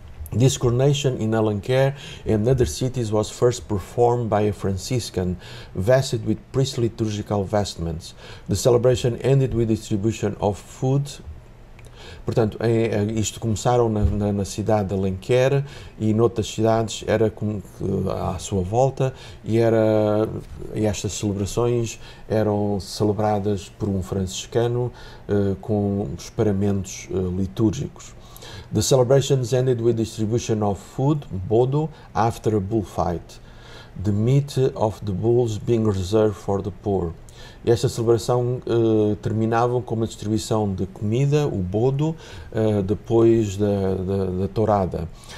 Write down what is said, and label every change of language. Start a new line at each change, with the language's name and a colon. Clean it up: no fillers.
English: This coronation in Alenquer and other cities was first performed by a Franciscan, vested with priestly liturgical vestments. The celebration ended with distribution of food.
Portuguese: Portanto, isto começaram na cidade de Alenquer e noutras cidades era à sua volta, e estas celebrações eram celebradas por um franciscano com os paramentos litúrgicos.
English: The celebrations ended with distribution of food, bodo, after a bullfight, the meat of the bulls being reserved for the poor.
Portuguese: E esta celebração terminava com a distribuição de comida, o bodo, depois da tourada.